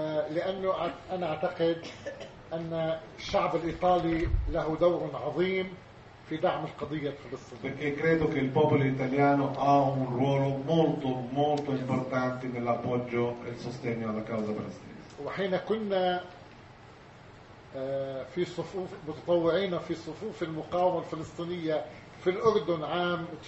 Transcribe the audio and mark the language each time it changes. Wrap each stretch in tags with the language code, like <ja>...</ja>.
<ar>لأنه أنا أعتقد أن الشعب الإيطالي له دور عظيم في دعم القضية الفلسطينية.</ar> <it>Perché credo che il popolo italiano ha un ruolo molto molto importante nell'appoggio e il sostegno alla causa palestinese.</it> <ar>وحين كنا في صفوف متطوعين في صفوف المقاومة الفلسطينية في الأردن عام</ar>